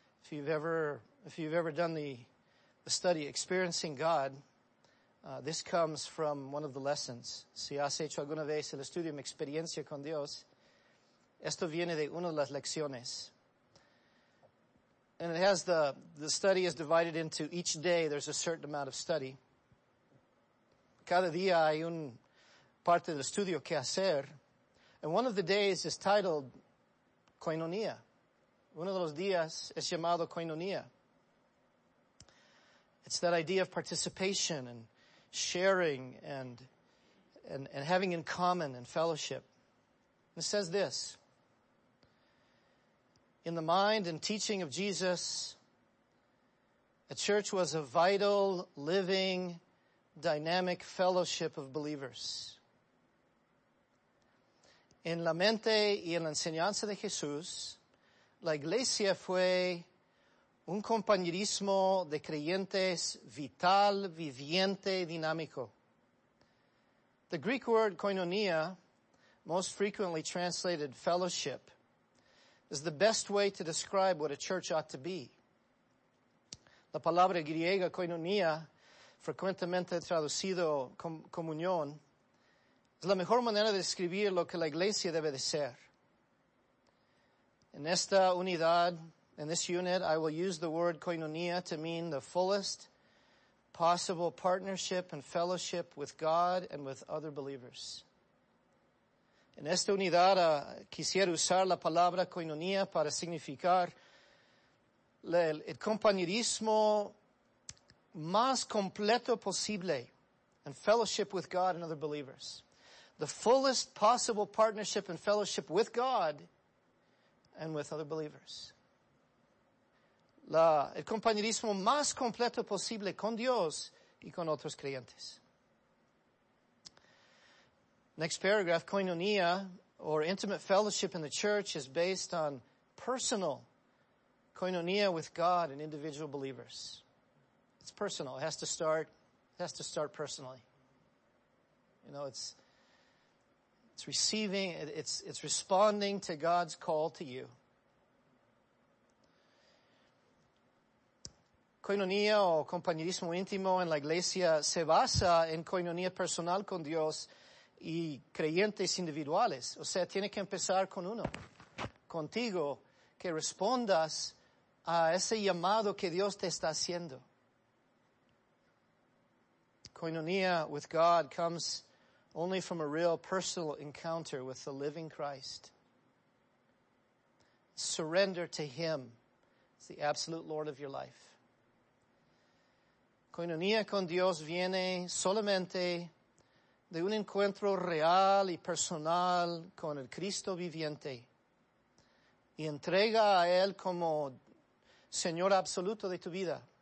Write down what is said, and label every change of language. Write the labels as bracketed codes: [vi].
[en] If you've ever done the study Experiencing God, this comes from one of the lessons. [es] Si has hecho alguna vez el estudio de experiencia con Dios, esto viene de una de las lecciones. [en] And it has the study is divided into each day there's a certain amount of study. [es] Cada día hay un parte del estudio que hacer. [en] And one of the days is titled Koinonia. [es] Uno de los días es llamado Koinonia. [en] It's that idea of participation and sharing and having in common and fellowship. And it says this. In the mind and teaching of Jesus, a church was a vital, living, dynamic fellowship of believers. [es] En la mente y en la enseñanza de Jesús, la iglesia fue un compañerismo de creyentes vital, viviente, dinámico. [en] The Greek word koinonia, most frequently translated fellowship, is the best way to describe what a church ought to be. [es] La palabra griega koinonia, frecuentemente traducido comunión, es la mejor manera de describir lo que la iglesia debe de ser. En esta unidad, [en] in this unit, I will use the word koinonia to mean the fullest possible partnership and fellowship with God and with other believers. [es] En esta unidad quisiera usar la palabra koinonia para significar el compañerismo más completo posible [en] and fellowship with God and other believers. The fullest possible partnership and fellowship with God and with other believers. [es] El compañerismo más completo posible con Dios y con otros creyentes. [en] Next paragraph, koinonia, or intimate fellowship in the church, is based on personal koinonia with God and individual believers. It's personal. It has to start personally. You know, it's receiving, it's responding to God's call to you. [es] Koinonia o compañerismo íntimo en la iglesia se basa en koinonia personal con Dios y creyentes individuales. O sea, tiene que empezar con uno, contigo, que respondas a ese llamado que Dios te está haciendo. [en] Koinonia with God comes only from a real personal encounter with the living Christ. Surrender to Him as the absolute Lord of your life. [es] Koinonia con Dios viene solamente de un encuentro real y personal con el Cristo viviente y entrega a Él como Señor absoluto de tu vida.